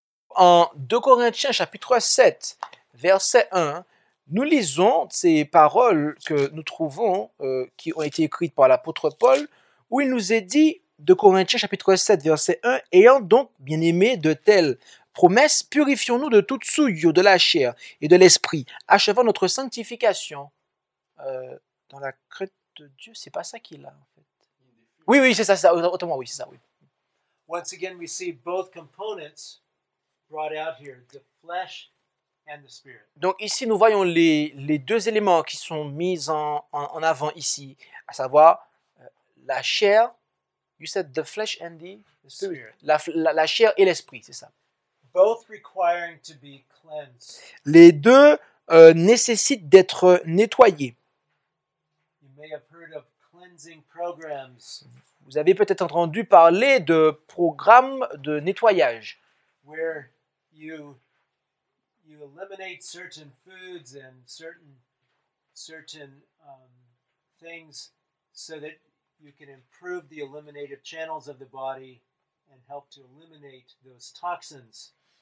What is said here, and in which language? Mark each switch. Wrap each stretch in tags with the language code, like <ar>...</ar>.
<fr>En 2 Corinthiens chapitre 7, verset 1, nous lisons ces paroles que nous trouvons, qui ont été écrites par l'apôtre Paul, où il nous est dit, 2 Corinthiens chapitre 7, verset 1, « Ayant donc bien aimé de telles promesses, purifions-nous de toute souillure de la chair et de l'esprit, achevant notre sanctification. » Dans la crainte de Dieu, c'est pas ça qu'il a. Oui, c'est ça.</fr> <en>Once again, we see both components brought out here, the flesh and the spirit.</en> <fr>Donc ici, nous voyons les deux éléments qui sont mis en avant ici, à savoir la chair,</fr> <en>you said the flesh and the spirit.</en> <fr>La chair et l'esprit, c'est ça.</fr> <en>Both requiring to be cleansed.</en> <fr>Les deux nécessitent d'être nettoyés.</fr> <en>You may have heard of cleansing programs.</en> <fr>Vous avez peut-être entendu parler de programmes de nettoyage.</fr> <en>Where you eliminate certain foods and certain things so that you can improve the eliminative channels of the body and help to eliminate those toxins.</en>